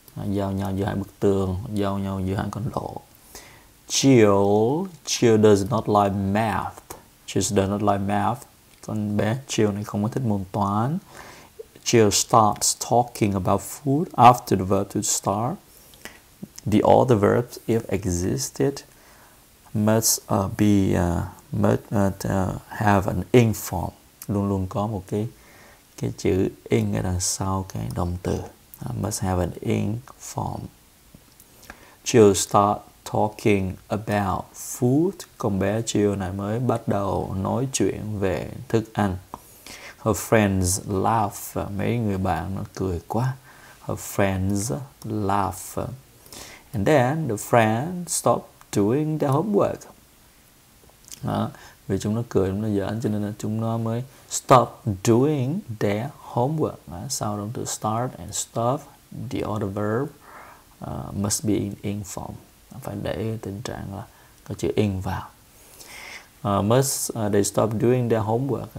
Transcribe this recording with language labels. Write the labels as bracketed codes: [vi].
[vi] Giao nhau giữa hai bức tường. Giao nhau giữa hai con lộ. [en] Chill does not like math. Chill does not like math. [vi] Con bé Chill này không có thích môn toán. [en] Chill starts talking about food after the verb to start. The other verbs, if existed, must have an ing form. [vi] Luôn luôn có một cái chữ ing ở đằng sau cái động từ. [en] Must have an ing form. Chill start talking about food. [vi] Con bé Chill này mới bắt đầu nói chuyện về thức ăn. [en] Her friends laugh. [vi] Mấy người bạn nó cười quá. [en] Her friends laugh. And then the friend stop doing their homework. [vi] Đó. Vì chúng nó cười, chúng nó giỡn cho nên là chúng nó mới [en] stop doing their homework. [vi] Đó. Sau đó từ [en] start and stop, the other verb must be in ing form. [vi] Phải để tình trạng là có chữ ing vào. [en] They stop doing their homework.